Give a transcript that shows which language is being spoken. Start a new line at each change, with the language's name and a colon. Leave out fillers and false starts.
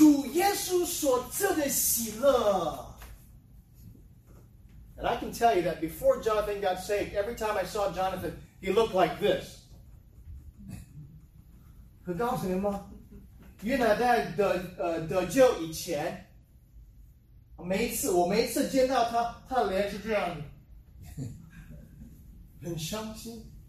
Chinese: 你就在他脸上看得出来，他有主耶稣所赐的喜乐。
English: And I can tell you that before Jonathan got saved, every time I saw Jonathan, he looked like this.
Chinese: 可告诉你们，约拿丹得救以前，每一次我见到他，他的脸是这样的，很伤心。